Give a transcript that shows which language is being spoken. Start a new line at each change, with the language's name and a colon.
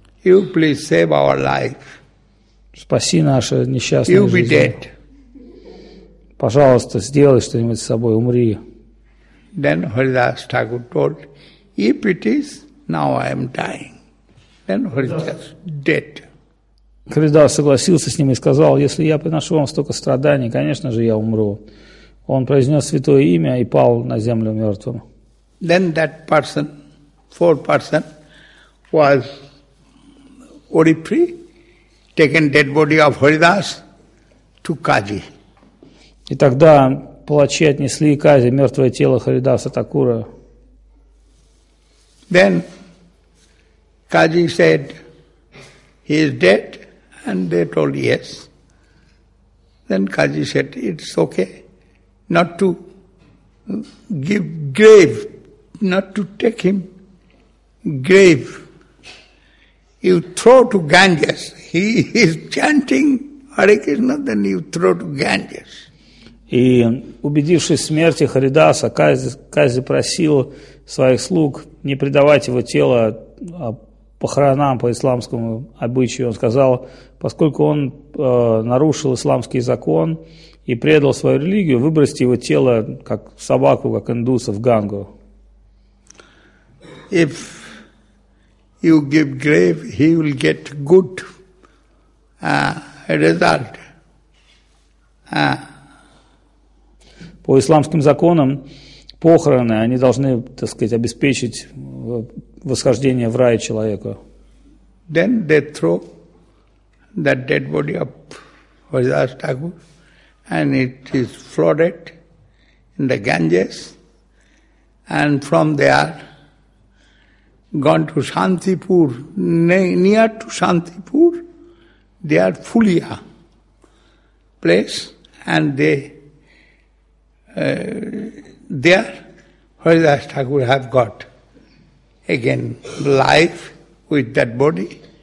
English: You please save our life.
Russian: Спаси наше несчастное жизнь.
English: You be dead.
Russian: Пожалуйста, сделай что-нибудь с собой, умри.
English: Then Haridas Thakur told, if it is, now I am dying. Then Haridas dead.
Russian: Харидас согласился с ним и сказал, если я приношу вам столько страданий, конечно же, я умру. Он произнес святое имя и пал на землю мертвым.
English: Then that person, fourth person, was Oripri, taken dead body of Haridas to Kaji.
Russian: И тогда палачи отнесли Кази, мертвое тело Харидаса Такура.
English: Then Kaji said, he is dead. And they told yes. Then Kaji said, it's okay not to give grave, not to take him grave. You throw to Ganges. He is chanting Hare Krishna, then you throw to Ganges.
Russian: И убедившись в смерти Харидаса, Кази просил своих слуг не предавать его тело похоронам по исламскому обычаю. Он сказал, поскольку он нарушил исламский закон и предал свою религию, выбросьте его тело, как собаку, как индуса, в Гангу.
English: If you give grave, he will get good result.
Russian: По исламским законам, похороны, они должны, так сказать, обеспечить восхождение в рай человеку.
English: Then they throw that dead body of Haridas Thakur and it is floated in the Ganges and from there gone to Shantipur, near to Shantipur, there Fulia place and there Haridas Thakur have got again life with that body.